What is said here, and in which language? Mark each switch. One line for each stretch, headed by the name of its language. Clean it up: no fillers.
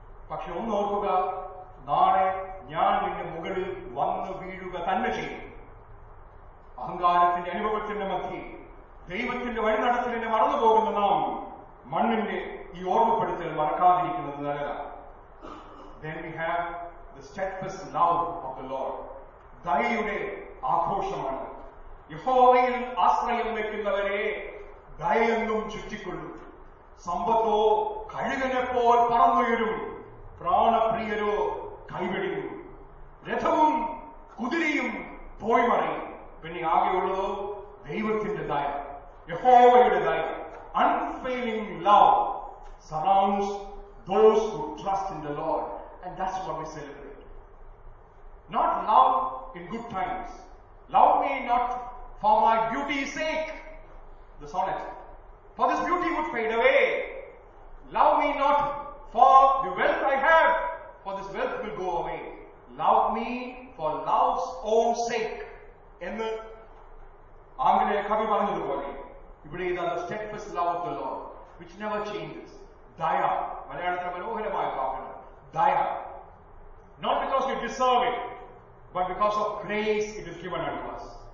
Malayalam: പക്ഷെ ഒന്ന് ഓർക്കുക, നാളെ ഞാൻ നിന്റെ മുകളിൽ വന്ന് വീഴുക തന്നെ ചെയ്യും. അഹങ്കാരത്തിന്റെ അനുഭവത്തിന്റെ മധ്യേ ദൈവത്തിന്റെ വഴി നടത്തലിനെ മറന്നു പോകുന്ന നാം മണ്ണിന്റെ ഈ ഓർമ്മപ്പെടുത്തൽ മറക്കാതിരിക്കുന്നത് നല്ലതാണ്.
English: Then we have the steadfast love of the Lord.
Malayalam: ദയയുടെ ആഘോഷമാണ്. യഹോവയിൽ ആശ്രയം വയ്ക്കുന്നവരെ ദയയെന്നും ചുറ്റിക്കൊള്ളും. സമ്പത്തോ കഴുകനെപ്പോൾ പറന്നുയരും, പ്രാണപ്രിയരോ കൈവിടുന്നു. രഥവും കുതിരയും പോയി മറയും. പിന്നെ ആകെയുള്ളതോ ദൈവത്തിന്റെ ദയ, യഹോവയുടെ ദയ.
English: Unfailing love surrounds those who trust in the Lord, and that's what we celebrate. Not love in good times. Love me not for my beauty's sake, the sonnet. For this beauty would fade away. Love me not for the wealth I have, for this wealth will go away. Love me for love's own sake.
Malayalam: എന്ന് ആംഗലേയ കവി പറഞ്ഞതുപോലെ ഇവിടെ ഇതാണ്
English: Steadfast love of the lord which never changes.
Malayalam: ദയ, മലയാളത്തിലെ മനോഹരമായ വാക്കാണ് ദയ.
English: Not because you deserve it, but because of grace it is given under us.